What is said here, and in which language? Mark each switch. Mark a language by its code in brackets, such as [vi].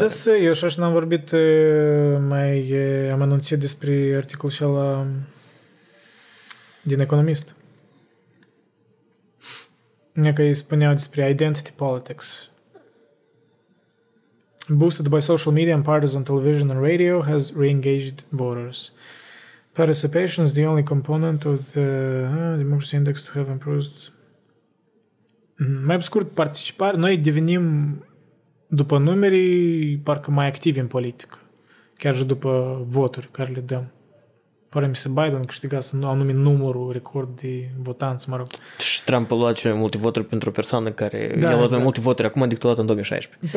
[ro] Da, să, eu așa și n-am vorbit mai, am anunțit despre articolul și ala din Economist. Că îi spuneau despre identity politics. [en] Boosted by social media and partisan television and radio has re-engaged voters. Participation is the only component of the democracy index to have improved. [ro] Mai scurt, participare. Noi devenim, după numeri, parcă mai activi în politică. Chiar și după voturi care le dăm. Pare mi se Biden câștiga anumit numărul record de votanți, mă rog. Și Trump a luat cele mai multe voturi pentru o persoană care da, i-a luat exact. Mai multe voturi acum decât a luat în 2016.